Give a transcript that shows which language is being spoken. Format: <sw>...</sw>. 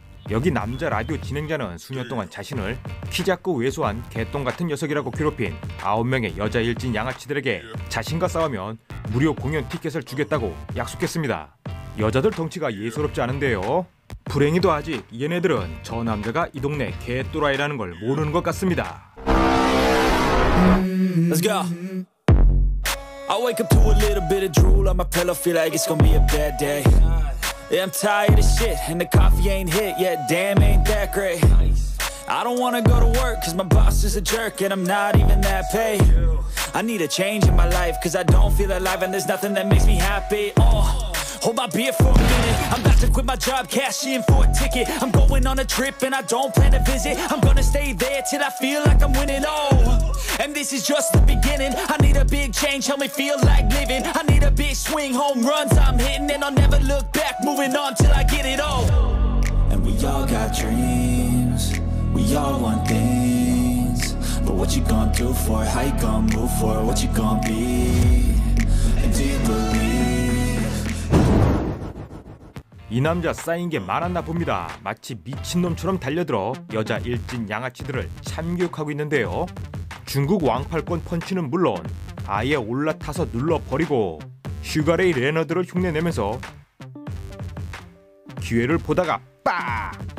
<ko>여기 남자 라디오 진행자는 수년 동안 자신을 키 작고 왜소한 개똥 같은 녀석이라고 괴롭힌 9명의 여자 일진 양아치들에게 자신과 싸우면 무료 공연 티켓을 주겠다고 약속했습니다. 여자들 덩치가 예사롭지 않은데요. 불행히도 아직 얘네들은 저 남자가 이 동네 개또라이라는 걸 모르는 것 같습니다.</ko> <en>Let's go. I wake up to a little bit of drool on my pillow, feel like it's gonna be a bad day. Yeah, I'm tired of shit and the coffee ain't hit yet, damn ain't that great. I don't wanna go to work cause my boss is a jerk and I'm not even that paid. I need a change in my life cause I don't feel alive and there's nothing that makes me happy. Hold my beer for a minute. I'm about to quit my job, cash in for a ticket. I'm going on a trip and I don't plan to visit. I'm gonna stay there till I feel like I'm winning all. And this is just the beginning. I need a big change, help me feel like living. I need a big swing, home runs I'm hitting. And I'll never look back, moving on till I get it all. And we all got dreams, we all want things. But what you gonna do for it? How you gonna move for it? What you gonna be? And do you believe?</en> <ko>이 남자 쌓인 게 많았나 봅니다. 마치 미친놈처럼 달려들어 여자 일진 양아치들을 참교육하고 있는데요. 중국 왕팔권 펀치는 물론 아예 올라타서 눌러버리고 슈가레이 레너드를 흉내내면서 기회를 보다가 빡!</ko>